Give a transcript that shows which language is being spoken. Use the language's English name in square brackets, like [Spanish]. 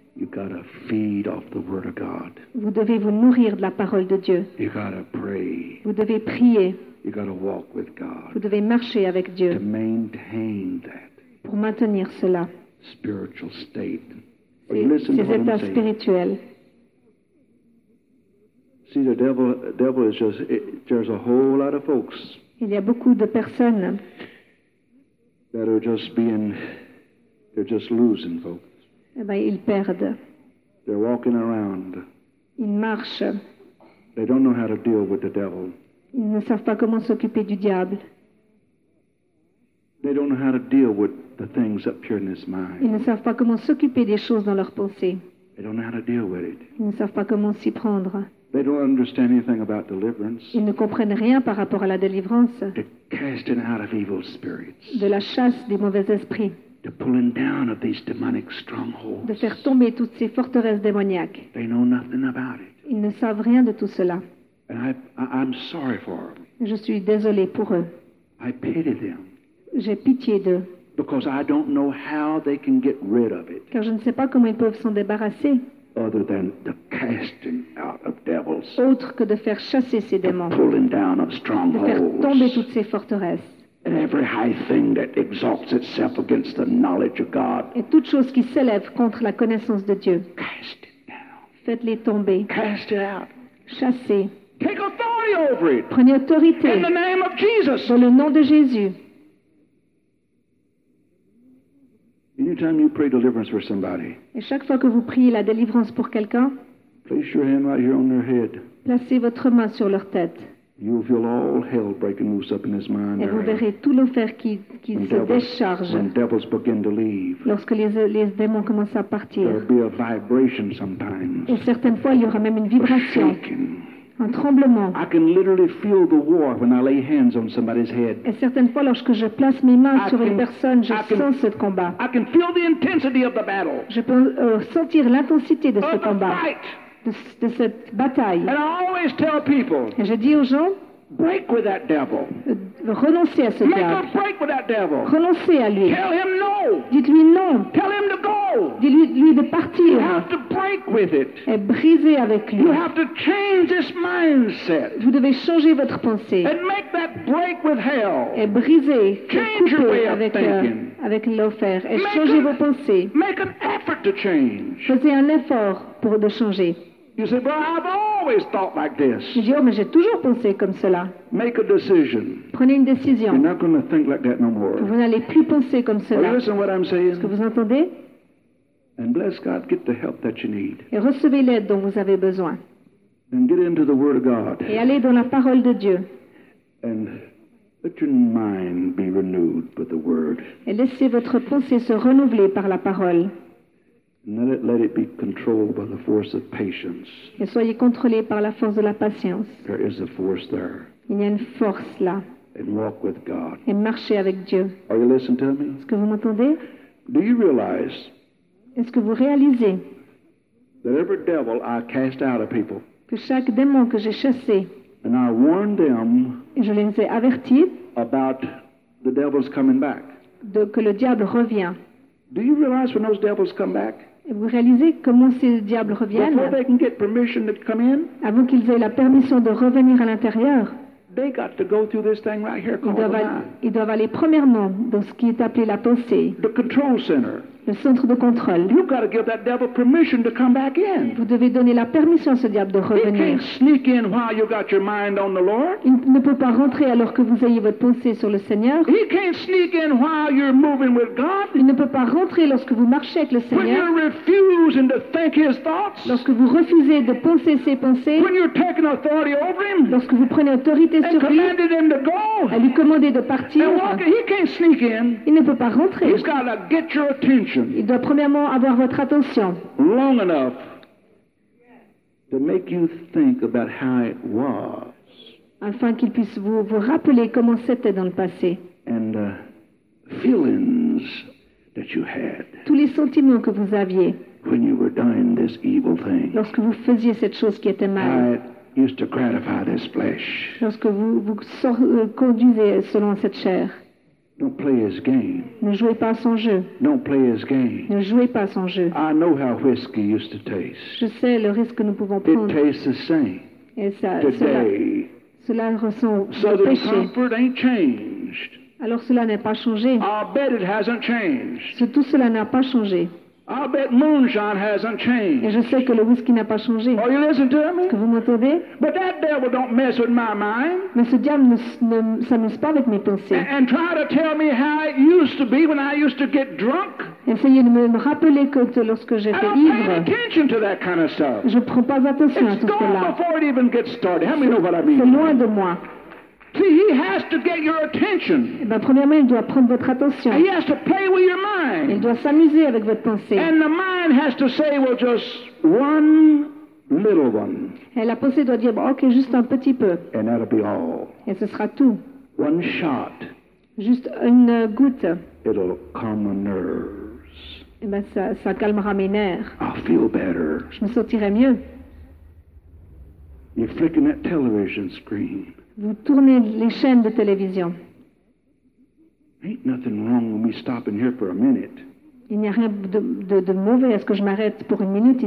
[English] you gotta feed off the word of God. [French] Vous devez vous nourrir de la parole de Dieu. [English] You gotta pray. [French] Vous devez prier. [English] You gotta walk with God. [French] Vous devez marcher avec Dieu. [English] To maintain that. [French] Pour maintenir cela. [English] Spiritual state. [French] Ces états spirituels. [English] See, the devil is just there's a whole lot of folks. [French] Il y a beaucoup de personnes. [English] That are just being, they're just losing folks. [French] Eh bien, ils perdent. [English] They're walking around. [French] Ils marchent. [English] They don't know how to deal with the devil. [French] Ils ne savent pas comment s'occuper du diable. [English] They don't know how to deal with the things up here in his mind. [French] Ils ne savent pas comment s'occuper des choses dans leur pensée. [English] They don't know how to deal with it. [French] Ils ne savent pas comment s'y prendre. [English] They don't understand anything about deliverance. [French] Ils ne comprennent rien par rapport à la délivrance. [English] The casting out of evil spirits. [French] De la chasse des mauvais esprits. [English] The pulling down of these demonic strongholds. [French] De faire tomber toutes ces forteresses démoniaques. [English] They know nothing about it. [French] Ils ne savent rien de tout cela. [English] And I'm sorry for them. [French] Je suis désolé pour eux. [English] I pity them. [French] J'ai pitié d'eux. [English] Because I don't know how they can get rid of it. [French] Car je ne sais pas comment ils peuvent s'en débarrasser. [English] Other than the casting out of devils. [French] Autre que de faire chasser ces démons. [English] The pulling down of strongholds. [French] De faire tomber toutes ces forteresses. [English] And every high thing that exalts itself against the knowledge of God. [French] Et toute chose qui s'élève contre la connaissance de Dieu. [English] Cast it down. [French] Faites-les tomber. [English] Cast it out. [French] Chassez. [English] Take authority over it. [French] Prenez autorité. [English] In the name of Jesus. [French] Dans le nom de Jésus. [English] Anytime you pray deliverance for somebody. [French] Et chaque fois que vous priez la délivrance pour quelqu'un. [English] Place your hand right here on their head. [French] Placez votre main sur leur tête. [English] You feel all hell breaking loose up in his mind. [French] Et vous verrez tout l'enfer qui se décharge. [English] When devils begin to leave. [French] Lorsque les démons commencent à partir. [English] There'll be a vibration sometimes. [French] Et certaines fois, il y aura même une vibration. Un tremblement. [English] I can literally feel the war when I lay hands on somebody's head. [French] Et certaines fois, lorsque je place mes mains sur une personne, je sens ce combat. [English] I can feel the intensity of the battle. [French] Je peux sentir l'intensité de ce combat. De cette bataille. [English] And I always tell people, [French] et je dis aux gens, [English] break with that devil. [French] Renoncez à ce [English] Make [French] diable. [English] A break with that devil. [French] Renoncez à lui. [English] Tell him no. [French] Dites-lui non. [English] Tell him to go. [French] Dites-lui de partir. [English] You have to break with it. [French] Et briser avec lui. [English] You have to change this mindset. [French] Vous devez changer votre pensée. [English] And make that break with hell. [French] Et briser. [English] Change your way of thinking. [French] Avec l'enfer. Et changer vos pensées. [English] Make an effort to change. [French] Faites un effort pour de changer. [English] You say, well, I've always thought like this. [French] Je dis, oh, mais j'ai toujours pensé comme cela. [English] Make a decision. [French] Prenez une décision. [English] You're not going to think like that no more. [French] Vous n'allez plus penser comme cela. [English] Well, listen to what I'm saying. [French] Est-ce que vous entendez? [English] And bless God, get the help that you need. [French] Et recevez l'aide dont vous avez besoin. [English] And get into the Word of God. [French] Et allez dans la parole de Dieu. [English] And let your mind be renewed with the Word. [French] Et laissez votre pensée se renouveler par la parole. [English] And let it be controlled by the force of patience. [French] Et soyez contrôlé par la force de la patience. [English] There is a force there. [French] Il y a une force là. [English] And walk with God. [French] Et marchez avec Dieu. [English] Are you listening to me? [French] Est-ce que vous m'entendez? [English] Do you realize? [French] Est-ce que vous réalisez? [English] That every devil I cast out of people. [French] Que chaque démon que j'ai chassé. [English] And I warned them. [French] Et je les ai avertis. [English] About the devil's coming back. [French] De que le diable revient. [English] Do you realize when those devils come back? [French] Vous réalisez comment ces diables reviennent? [English] Before they can get permission to come in? [French] Avant qu'ils aient la permission de revenir à l'intérieur? [English] They got to go through this thing right here called the mind. [French] Ils doivent aller premièrement dans ce qui est appelé la pensée. [English] The control center. [French] Le centre de contrôle. [English] You got to give that devil permission to come back in. [French] Vous devez donner la permission à ce diable de revenir. [English] He can't sneak in while you got your mind on the Lord. [French] Il ne peut pas rentrer alors que vous ayez votre pensée sur le Seigneur. [English] He can't sneak in while you're moving with God. [French] Il ne peut pas rentrer lorsque vous marchez avec le Seigneur. [English] When you're refusing to think his thoughts. [French] Lorsque vous refusez de penser ses pensées. [English] When you're taking authority over him. [French] Lorsque vous prenez autorité sur lui. [English] And commanded him to go. [French] À lui commander de partir. [English] And walk, he can't sneak in. [French] Il ne peut pas rentrer. [English] He's got to get your attention. [French] Il doit premièrement avoir votre attention. [English] Long enough to make you think about how it was. [French] Afin qu'il puisse vous rappeler comment c'était dans le passé. [English] And the feelings that you had. [French] Tous les sentiments que vous aviez. [English] When you were doing this evil thing. [French] Lorsque vous faisiez cette chose qui était mal. [English] It used to gratify this flesh. [French] Lorsque vous conduisez selon cette chair. [English] Don't play his game. [French] Ne jouez pas à son jeu. [English] Don't play his game. [French] Ne jouez pas à son jeu. [English] I know how whiskey used to taste. [French] Je sais le risque que nous pouvons prendre. [English] It tastes the same. [French] Et ça, [English] today. [French] Cela ressemble au péché. [English] So the comfort ain't changed. [French] Alors cela n'est pas changé. [English] I'll bet it hasn't changed. [French] Tout cela n'a pas changé. [English] I'll bet moonshine hasn't changed. [French] Et je sais que le whisky n'a pas changé. [English] Are you listening to me? [French] Est-ce que vous m'entendez? [English] But that devil don't mess with my mind. [French] Mais ce diable ne s'amuse pas avec mes pensées. [English] And try to tell me how it used to be when I used to get drunk. [French] Essayez de me rappeler que lorsque j'étais ivre. [English] I don't pay attention to that kind of stuff. [French] Je ne prends pas attention [English] it's [French] à tout cela. [English] It's gone before it even gets started. Help me know what I mean. [French] C'est loin de moi. [English] See, he has to get your attention. [French] Eh bien, premièrement, il doit prendre votre attention. [English] He has to play with your mind. [French] Il doit s'amuser avec votre pensée. [English] And the mind has to say, well, just one little one. [French] Et la pensée doit dire, ok, juste un petit peu. [English] And that'll be all. [French] Et ce sera tout. [English] One shot. [French] Juste une goutte. [English] It'll calm my nerves. [French] Eh bien, ça calmera mes nerfs. [English] I'll feel better. [French] Je me sentirai mieux. [English] You're flicking that television screen. [French] Vous tournez les chaînes de télévision. [English] Ain't nothing wrong with me stopping here for a minute. [French] Il n'y a rien de mauvais à ce que je m'arrête pour une minute ici.